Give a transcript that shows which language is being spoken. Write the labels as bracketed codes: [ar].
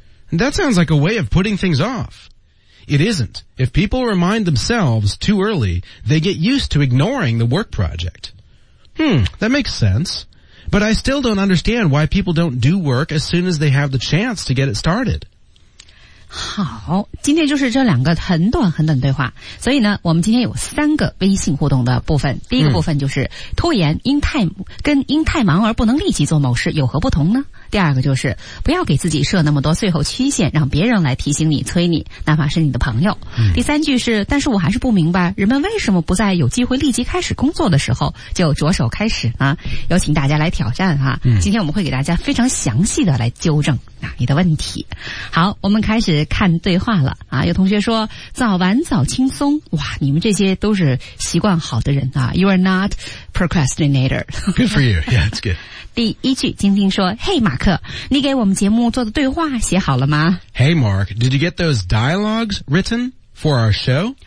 [en] And that sounds like a way of putting things off. It isn't. If people remind themselves too early, they get used to ignoring the work project. That makes sense. But I still don't understand why people don't do work as soon as they have the chance to get it started. [zh] 好，今天就是这两个很短很短对话，所以呢，我们今天有三个微信互动的部分。第一个部分就是拖延因太忙而不能立即做某事有何不同呢？第二个就是不要给自己设那么多最后期限，让别人来提醒你催你，哪怕是你的朋友。第三句是，但是我还是不明白，人们为什么不在有机会立即开始工作的时候就着手开始呢？有请大家来挑战哈。今天我们会给大家非常详细的来纠正你的问题。好，我们开始看对话了啊。有同学说早晚早轻松，哇，你们这些都是习惯好的人啊。 [en] You are not procrastinator. Good for you. Yeah, it's good. [zh] 第一句，晶晶说，嘿，马克，你给我们节目做的对话写好了吗？ [en] Hey Mark, did you get those dialogues written for our show?